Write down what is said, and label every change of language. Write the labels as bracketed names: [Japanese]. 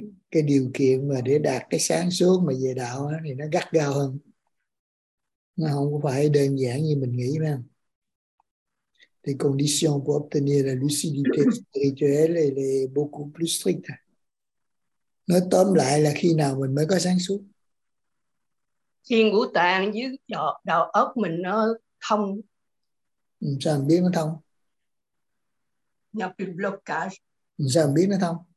[Vietnamese] Cái điều kiện mà để đạt cái sáng suốt mà về đạo đó, thì nó gắt gao hơn, nó không phải đơn giản như mình nghĩ nữa. [French] Les conditions pour obtenir la lucidité spirituelle, elle est beaucoup plus stricte. [Vietnamese] Nói tóm lại là khi nào mình mới có sáng suốt? Khi ngũ tạng dưới đầu óc mình nó thông. Sao mình biết nó thông? Nhập bị blockage. Sao mình biết nó thông?